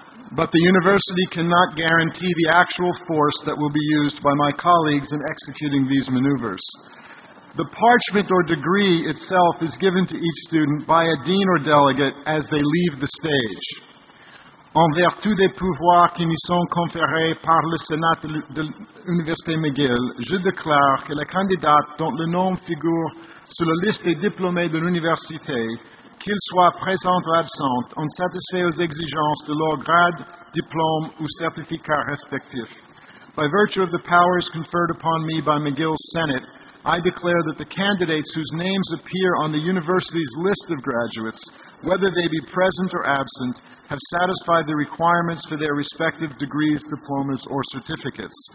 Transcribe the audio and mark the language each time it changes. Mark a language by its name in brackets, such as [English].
[English] But the university cannot guarantee the actual force that will be used by my colleagues in executing these maneuvers. The parchment or degree itself is given to each student by a dean or delegate as they leave the stage. [French] En vertu des pouvoirs qui me sont conférés par le Sénat de l'Université McGill, je déclare que la candidate dont le nom figure sur la liste des diplômés de l'université, qu'il soit présent ou absent, en satisfait aux exigences de leur grade, diplôme ou certificat respectif. [English] By virtue of the powers conferred upon me by McGill's Senate, I declare that the candidates whose names appear on the university's list of graduates, whether they be present or absent, have satisfied the requirements for their respective degrees, diplomas, or certificates.